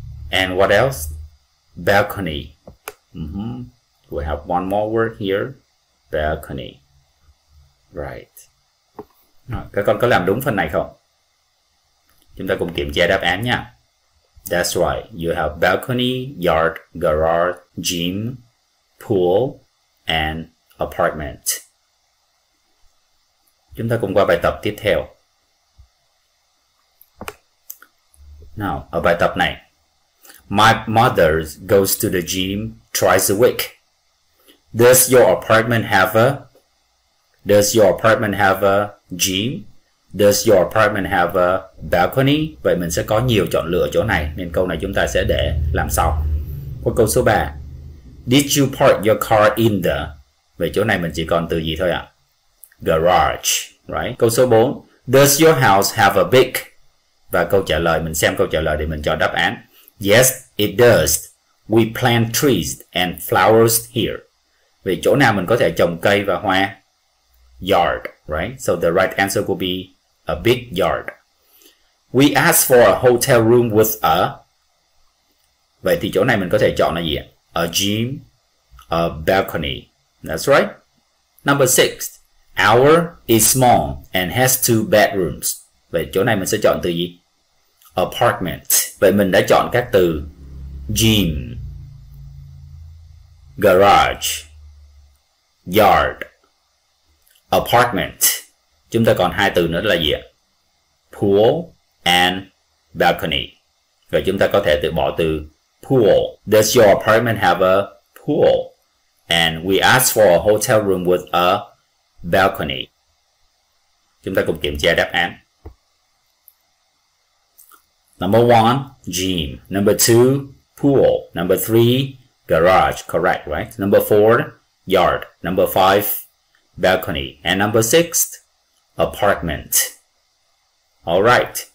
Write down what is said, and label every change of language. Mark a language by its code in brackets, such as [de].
[en] And what else? Balcony. Mm-hmm. We have one more word here, balcony. Right. [vi] Rồi, các con có làm đúng phần này không? Chúng ta cùng kiểm tra đáp án nha. [en] That's right. You have balcony, yard, garage, gym, pool, and apartment. [vi] Chúng ta cùng qua bài tập tiếp theo. [en] Now, [vi] ở bài tập này. [en] My mother goes to the gym twice a week. Does your apartment have a... Does your apartment have a gym? Does your apartment have a balcony? [vi] Vậy mình sẽ có nhiều chọn lựa chỗ này, nên câu này chúng ta sẽ để làm sau. Qua câu số 3. [en] Did you park your car in the... [vi] Vậy chỗ này mình chỉ còn từ gì thôi ạ? [en] Garage, right? [vi] Câu số 4. [en] Does your house have a big... [vi] Và câu trả lời, mình xem câu trả lời để mình chọn đáp án. [en] Yes, it does. We plant trees and flowers here. [vi] Vậy chỗ nào mình có thể trồng cây và hoa? [en] Yard, right? So the right answer will be a big yard. We asked for a hotel room with a... [vi] Vậy thì chỗ này mình có thể chọn là gì? [en] A gym, a balcony. That's right. Number 6. Our is small and has two bedrooms. [vi] Vậy chỗ này mình sẽ chọn từ gì? Apartment. Vậy mình đã chọn các từ gym, garage, yard, apartment. Chúng ta còn hai từ nữa là gì ạ? [en] Pool and balcony. [vi] Rồi chúng ta có thể tự bỏ từ pool. [en] Does your apartment have a pool? And we asked for a hotel room with a balcony. [vi] Chúng ta cùng kiểm tra đáp án. [en] Number 1, gym. Number 2, pool. Number 3, garage. Correct, right? Number 4, yard. Number 5, balcony. And number 6, apartment. All right.